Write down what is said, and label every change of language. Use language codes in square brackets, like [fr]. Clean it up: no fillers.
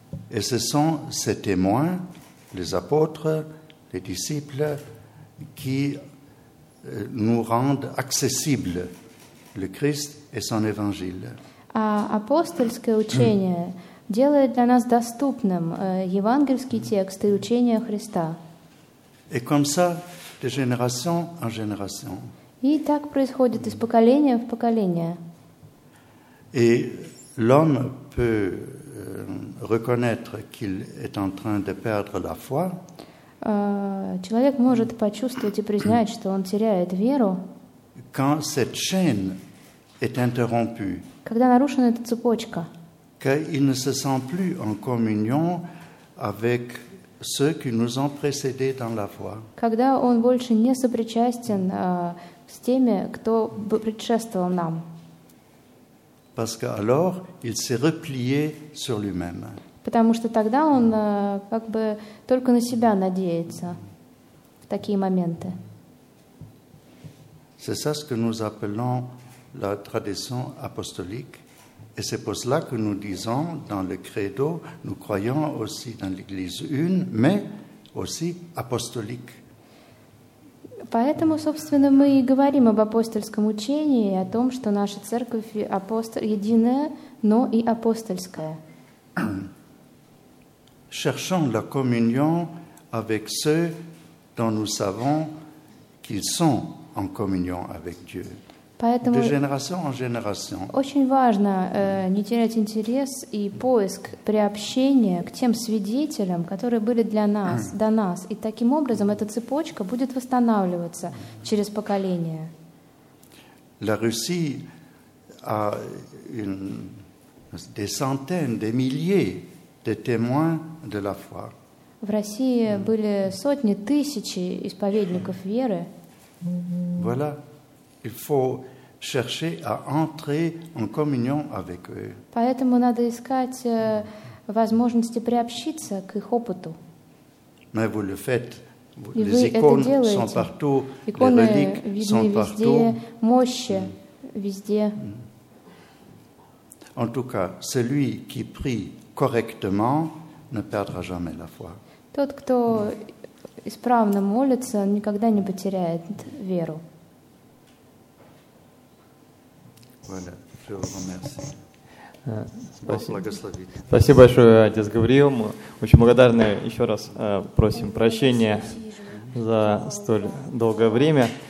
[fr] Et ce sont ces témoins, les apôtres, les disciples, qui nous rendent accessible le Christ et son Évangile. [ru] А апостольское учение делает для нас доступным евангельский текст и учение Христа. [fr] Et comme ça, de génération en génération. [ru] И так происходит из поколения в поколение. [fr] Et l'homme peut reconnaître qu'il est en train de perdre la foi. [ru] Человек может почувствовать и признать, что он теряет веру. [fr] Quand cette chaîne est interrompue. [ru] Когда нарушена эта цепочка. [fr] Qu'il ne se sent plus en communion avec ceux qui nous ont précédés dans la foi. [ru] Когда он больше не сопричастен с теми, кто предшествовал нам. [fr] Parce qu'alors il s'est replié sur lui-même. [ru] Потому что тогда он как бы только на себя надеется в такие моменты. [fr] C'est ça ce que nous appelons la tradition apostolique. Et c'est pour cela que nous disons dans le credo, nous croyons aussi dans l'Église une, mais aussi apostolique. [ru] Поэтому, собственно, мы и говорим об апостольском учении и о том, что наша церковь единая, но и апостольская. [fr] Cherchons la communion avec ceux dont nous savons qu'ils sont en communion avec Dieu. [ru] Поэтому [fr] de génération en génération. [ru] Очень важно не терять интерес и поиск приобщения к тем свидетелям, которые были для нас, до нас. И таким образом эта цепочка будет восстанавливаться через поколения. [fr] La Russie a des centaines, des milliers des témoins de la foi. [ru] В России были сотни, тысячи исповедников веры. [fr] Voilà, il faut chercher à entrer en communion avec eux. [ru] Поэтому надо искать возможности приобщиться к их опыту. [fr] Mais vous le faites. [ru] И вы это делаете. [fr] Partout, [ru] иконы видны везде, [fr] partout. [ru] Мощи везде. [fr] En tout cas, celui qui prie correctement ne perdra jamais la foi. [ru] Тот, кто исправно молится, никогда не потеряет веру. [fr] Voilà. Je vous remercie. [ru] Спасибо. Спасибо большое, отец Гавриил. Мы очень благодарны. Еще раз просим прощения за столь долгое время.